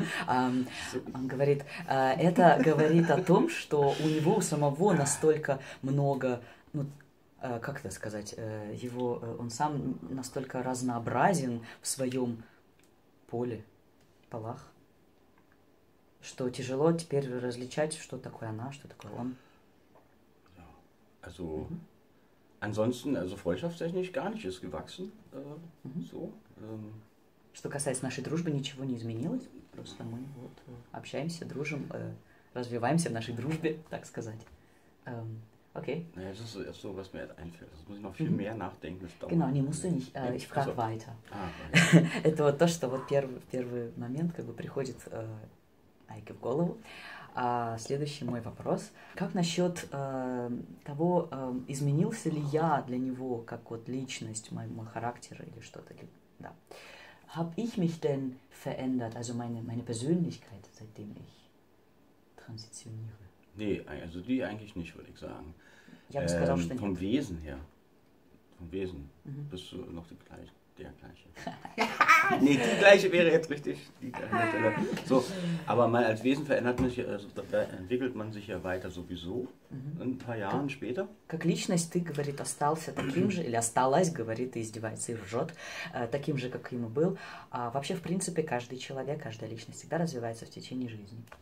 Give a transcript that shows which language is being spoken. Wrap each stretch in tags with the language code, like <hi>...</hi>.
<ru>Он говорит, это говорит о том, что у него самого настолько много... Как это сказать? Его, он сам настолько разнообразен в своем... поле, полах, что тяжело теперь различать, что такое она, что такое он.</ru> <de>Ja. Also, mm-hmm. ansonsten, also freundschaftstechnisch gar nicht, ist gewachsen, mm-hmm. so.</de> <ru>Что касается нашей дружбы, ничего не изменилось, просто мы вот общаемся, дружим, развиваемся в нашей дружбе, так сказать.</ru> <de>Okay. Naja, das ist erst so, was mir einfällt. Das muss ich noch viel mehr nachdenken. Genau, nee, musst du nicht. Ich frage also. Weiter.</de> <ru>Это вот то, что вот первый момент как бы приходит Айке в голову. А следующий мой вопрос. Как насчет того, изменился ли я для него как вот личность, мой характер или что-то? Да.</ru> <de>Hab ich mich denn verändert, also meine Persönlichkeit, seitdem ich transitioniere? Nee, also die eigentlich nicht, würde ich sagen. Ich habe es gesagt, ständig. Vom Wesen her. Vom Wesen. Mhm. Bist du noch der gleiche. nee, die gleiche wäre jetzt richtig. Die so, aber mal als Wesen verändert man sich, also da entwickelt man sich ja weiter sowieso. Mhm. Ein paar Jahre später.</de> <ru>Как личность, ты, говорит, остался таким же, или осталась, говорит, и издевается, и ржет, таким же, как ему был. А вообще, в принципе, каждый человек, каждая личность всегда развивается в течение жизни.</ru>